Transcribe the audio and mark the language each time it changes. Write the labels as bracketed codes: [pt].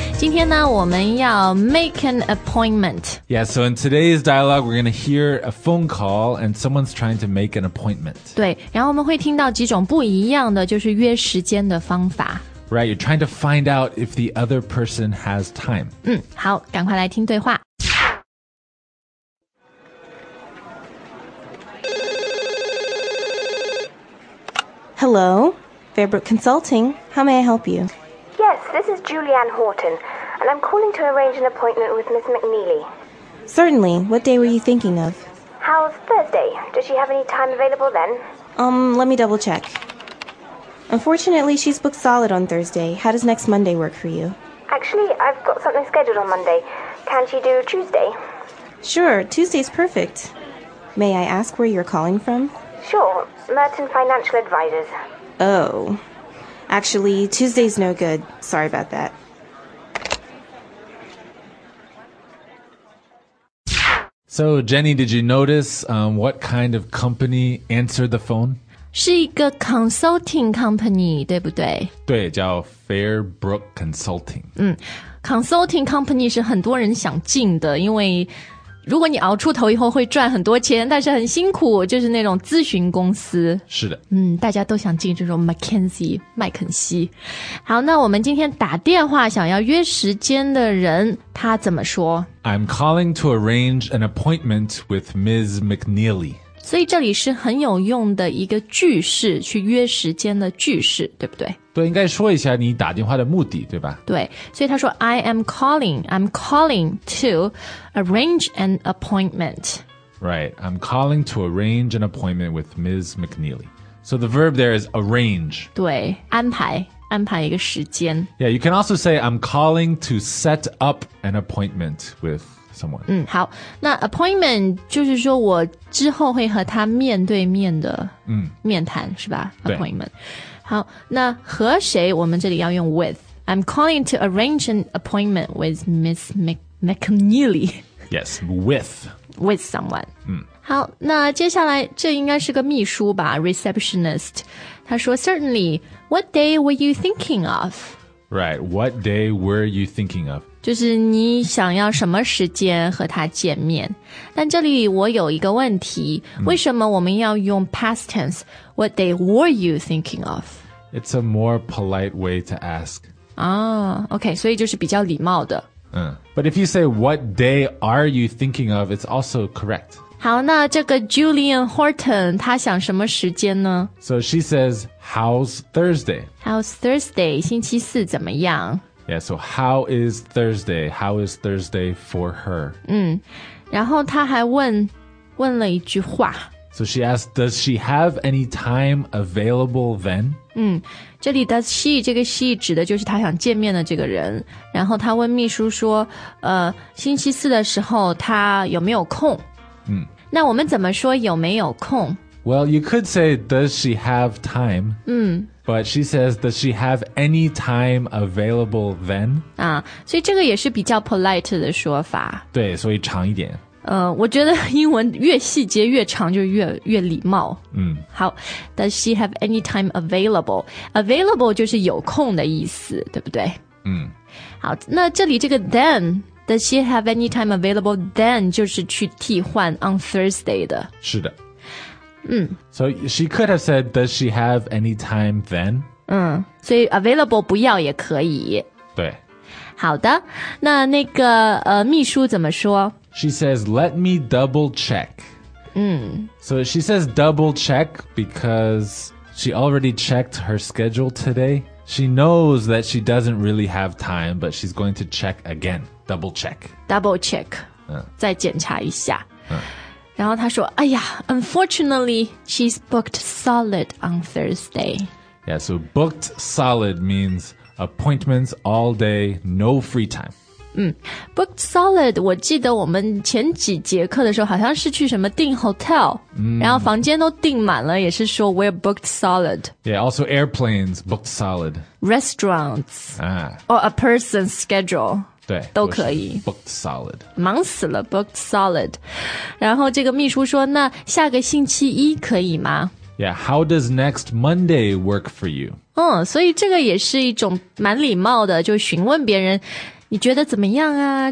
[zh] 今天呢，我们要 [en] make an appointment. Yeah, so in today's dialogue, we're going to hear a phone call and someone's trying to make an appointment. [zh] 对，然后我们会听到几种不一样的就是约时间的方法。 [en] Right, you're trying to find out if the other person has time. [zh] 嗯，好，赶快来听对话。 [en] Hello, Fairbrook Consulting. How may I help you? Yes, this is Julianne Horton, and I'm calling to arrange an appointment with Miss McNeely. Certainly. What day were you thinking of? How's Thursday? Does she have any time available then? Let me double check. Unfortunately, she's booked solid on Thursday. How does next Monday work for you? Actually, I've got something scheduled on Monday. Can she do Tuesday? Sure, Tuesday's perfect. May I ask where you're calling from? Sure. Merton Financial Advisors. Oh. Actually, Tuesday's no good. Sorry about that. So, Jenny, did you notice, what kind of company answered the phone? [zh] 是一个 consulting company, 对不对? 对,叫 Fairbrook Consulting. 嗯, consulting company 是很多人想进的,因为如果你熬出头以后会赚很多钱，但是很辛苦，就是那种咨询公司。是的，嗯，大家都想进这种 McKenzie 麦肯锡。好，那我们今天打电话想要约时间的人，他怎么说 [en] ？I'm calling to arrange an appointment with Ms. McNeely。 [zh] 所以这里是很有用的一个句式，去约时间的句式，对不对？对，应该说一下你打电话的目的，对吧？对，所以他说 [en] I'm calling to arrange an appointment. Right, I'm calling to arrange an appointment with Ms. McNeely. So the verb there is arrange. [zh] 对，安排，安排一个时间。 [en] Yeah, you can also say I'm calling to set up an appointment with someone. [zh] 嗯，好，那 appointment 就是说我之后会和他面对面的面谈，嗯，是吧 ？Appointment. 好，那和谁？我们这里要用 with. [en] I'm calling to arrange an appointment with Miss McNeely. Yes, with. With someone. [zh] 嗯，好，那接下来这应该是个秘书吧 ，receptionist. 他说 [en] ，Certainly. What day were you thinking of? Right. What day were you thinking of? [zh] 就是你想要什么时间和他见面。但这里我有一个问题，为什么我们要用 past tense? [en] What day were you thinking of? It's a more polite way to ask. Ah, okay, [zh] 所以就是比较礼貌的。 [en] But if you say, what day are you thinking of, it's also correct. [zh] 好，那这个 Julian Horton, 他想什么时间呢? [en] So she says, how's Thursday? How's Thursday? [zh] 星期四怎么样? [en] Yeah, so how is Thursday? How is Thursday for her? [zh] 嗯，然后他还问了一句话。 [en] So she asked, does she have any time available then? [zh] 嗯，这里 [en] does she, [zh] 这个 she 指的就是他想见面的这个人。然后他问秘书说，星期四的时候他有没有空？嗯，那我们怎么说有没有空？ [en] Well, you could say, does she have time? [zh] 嗯。 [en] But she says, does she have any time available then? [zh] 啊，所以这个也是比较 polite 的说法。对，所以长一点。我觉得英文越细节越长就越礼貌。嗯， [en] 好， does she have any time available? [zh] Available 就是有空的意思，对不对？嗯。好，那这里这个 [en] then, does she have any time available then? [zh] 就是去替换 [en] on Thursday [zh] 的。是的。嗯、 [en] so she could have said, does she have any time then? [zh] 嗯，所以 available 不要也可以。对。好的，那个秘书怎么说？ [en] She says, let me double check. [zh] 嗯。 [en] So she says double check because she already checked her schedule today. She knows that she doesn't really have time, but she's going to check again. Double check. Double check. [zh] 嗯。再检查一下。嗯。然后他说，哎呀 [en] ，unfortunately, she's booked solid on Thursday. Yeah, so booked solid means appointments all day, no free time. [zh] 嗯 ，booked solid, 我记得我们前几节课的时候好像是去什么订 hotel,、然后房间都订满了，也是说 [en] we're booked solid. Yeah, also airplanes, booked solid. Restaurants,、 Or a person's schedule. [zh] 对，都可以。 [en] Booked solid， [zh] 忙死了 ， [en] booked solid。 [zh] 然后这个秘书说，那下个星期一可以吗 [en] ？Yeah， how does next Monday work for you？ [zh] 嗯，所以这个也是一种蛮礼貌的，就询问别人，你觉得怎么样啊？